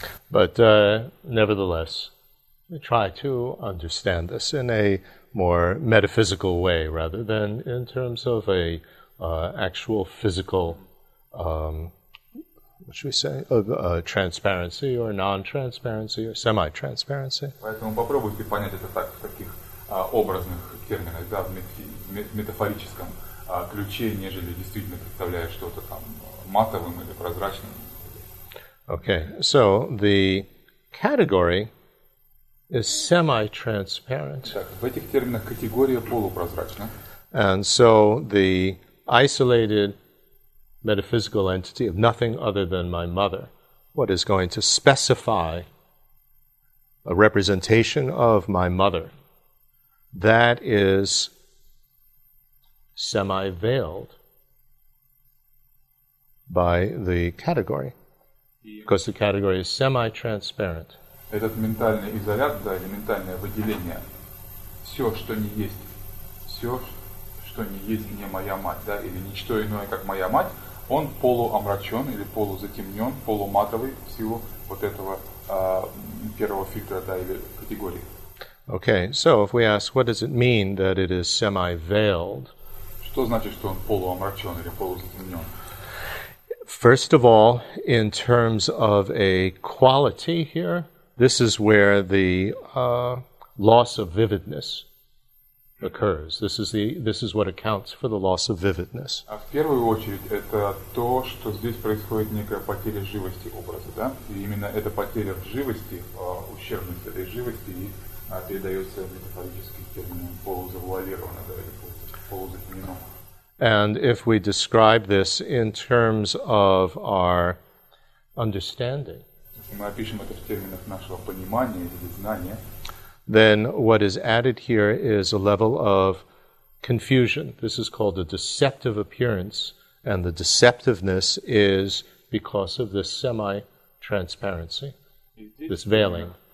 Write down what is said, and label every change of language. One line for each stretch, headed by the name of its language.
English: But nevertheless, we try to understand this in a more metaphysical way rather than in terms of a actual physical what should we say, transparency or non-transparency or semi-transparency.
Russian: Поэтому попробуйте понять это так, в таких образных терминах, да, в метафорическом ключе, нежели действительно представляя что-то там матовым или прозрачным.
English: Okay, so the category is semi-transparent.
Russian: Так, в этих терминах категория полупрозрачна.
English: And so the isolated metaphysical entity of nothing other than my mother, what is going to specify a representation of my mother, that is semi-veiled by the category, because the category is semi-transparent.
Russian: Этот ментальный изолят, да, или ментальное выделение, все, что не есть, все, что не есть, не моя мать, да, или ничто иное, как моя мать, он полуомрачен или полузатемнен, полуматовый в силу вот этого первого фильтра, да, или категории.
English: Okay, so if we ask, what does it mean that it is semi-veiled?
Russian: Что значит, что он полуомрачен или полузатемнен?
English: First of all, in terms of a quality here, this is where the loss of vividness occurs. This is what accounts for the loss of vividness.
Russian: А в первую очередь это то, что здесь происходит некая потеря живости образа, да? И именно эта потеря живости, ущербность этой живости и передается метафорическим термином полузавуалированно, да, или полузаменено.
English: And if we describe this in terms of our understanding,
Russian: если мы опишем это в терминах нашего понимания или знания,
English: then what is added here is a level of confusion. This is called a deceptive appearance, and the deceptiveness is because of this semi-transparency, this veiling.